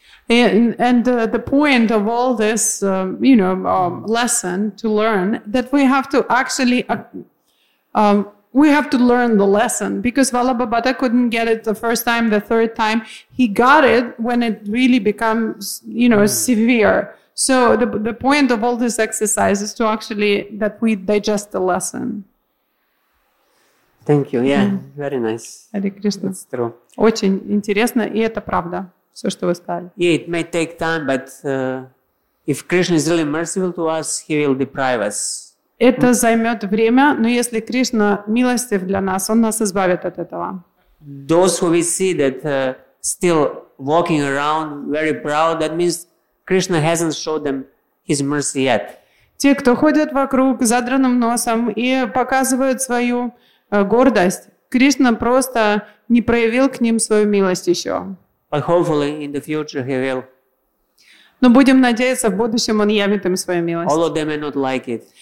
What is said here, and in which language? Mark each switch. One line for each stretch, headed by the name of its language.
English: And the point of all this, you know, lesson to learn that we have to actually, we have to learn the lesson because Vala Bhabhata couldn't get it the first time, the third time. He got it when it really becomes, you know, severe. So the point of all this exercise is to actually that we digest the lesson. Thank you. Yeah, very nice. Hare Krishna. That's true.
Russian: Очень интересно, и это правда. Все, что вы сказали.
English: Yeah, it may take time, but if Krishna is really merciful to us, he will deprive us.
Russian: Это займет время, но если Кришна милостив для нас, он нас избавит от этого.
English: Those who we see that still walking around very proud, that means Krishna hasn't showed them his mercy yet.
Russian: Те, кто ходят вокруг с задранным носом и показывают свою гордость, Кришна просто не проявил к ним свою милость еще.
English: But hopefully in the future he will.
Russian: Но будем надеяться, в будущем он явит им свою милость.
English: Although they may not like it.